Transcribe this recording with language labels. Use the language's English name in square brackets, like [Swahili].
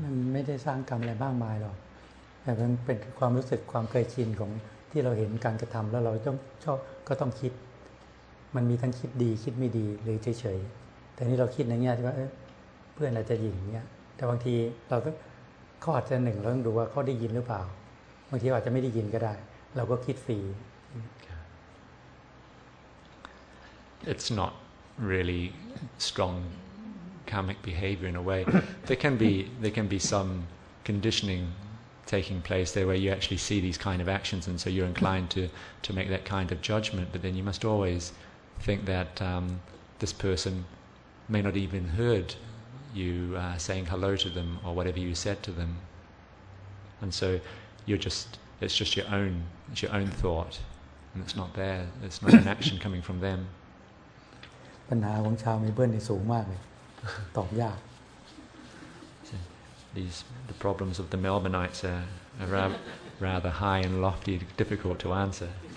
[Thai] มันไม่ได้สร้างกรรมอะไรมากมายหรอกแต่มันเป็นความรู้สึกความเคยชินของที่เราเห็นการกระทำแล้วเราต้องชอบก็ต้องคิดมันมีทั้งคิดดีคิดไม่ดีหรือเฉยๆแต่นี่เราคิดในแง่ที่ว่าเพื่อนอาจจะหยิ่งเนี่ยแต่บางทีเราก็เขาอาจจะหนึ่งเราต้องดูว่าเขาได้ยินหรือเปล่าบางทีอาจจะไม่ได้ยินก็ได้เราก็คิดฟรี [English] It's not really strong karmic behavior in a way. There can be some conditioning taking place there where you actually see these kind of actions and so you're inclined to make that kind of judgment, but then you must always think that this person may not even heard you saying hello to them or whatever you said to them, and so it's just your own thought, and it's not there, it's not an action coming from them. [Thai] ปัญหาของชาวเมลเบิร์นนี่สูงมากเลยตอบยาก [English] The problems of the Melbourneites are rather high and lofty, difficult to answer.